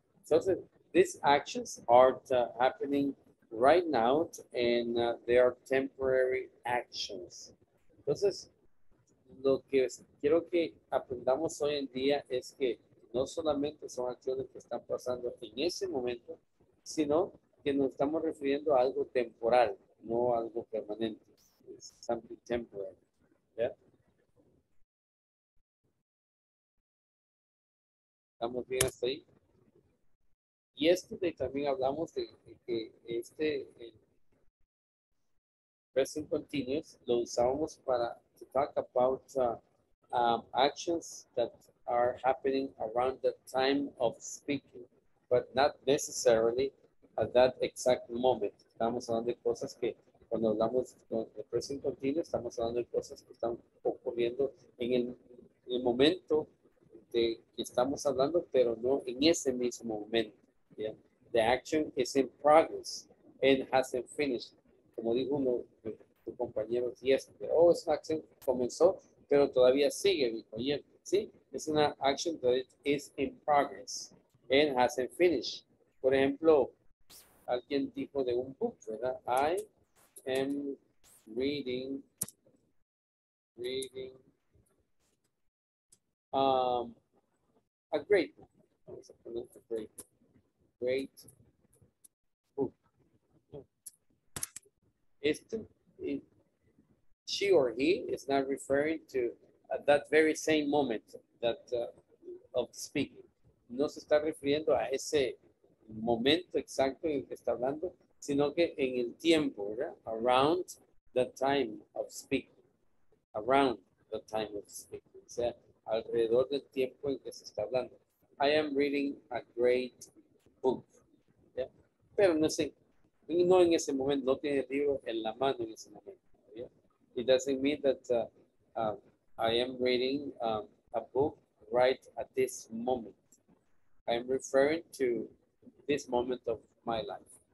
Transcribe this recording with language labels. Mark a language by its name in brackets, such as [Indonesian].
[English] So these actions are happening right now, and they are temporary actions. [Spanish] Entonces, lo que quiero que aprendamos hoy en día es que no solamente son acciones que están pasando en ese momento, sino que nos estamos refiriendo a algo temporal. No algo permanente, [English] it's something temporary, yeah? [Spanish] ¿Estamos bien hasta ahí? Y [English] yesterday [Spanish] también hablamos de que este present continuous lo usamos para [English] to talk about actions that are happening around the time of speaking, but not necessarily at that exact moment. [Spanish] Estamos hablando de cosas que cuando hablamos de present continuous, estamos hablando de cosas que están ocurriendo en el momento de que estamos hablando, pero no en ese mismo momento. [English] Yeah. The action is in progress and hasn't finished. [Spanish] Como dijo uno de tus compañeros [English] yesterday, [Spanish] oh, esa acción comenzó, pero todavía sigue, dijo ayer. Sí, es una [English] action that is in progress and hasn't finished. [Spanish] Por ejemplo, alguien dijo de un book, ¿verdad? [English] I am reading a great book. [Spanish] Vamos a poner [English] a great book. She or he is not referring to that very same moment that of speaking. [Spanish] No se está refiriendo a ese momento exacto en el que está hablando, sino que en el tiempo, ¿verdad? [English] Around the time of speaking. Around the time of speaking. [Spanish] O sea, alrededor del tiempo en que se está hablando. [English] I am reading a great book. ¿Ya? [Spanish] Pero no sé, no en ese momento, no tiene el libro en la mano en ese momento. ¿Ya? [English] It doesn't mean that I am reading a book right at this moment. I am referring to this moment of my life.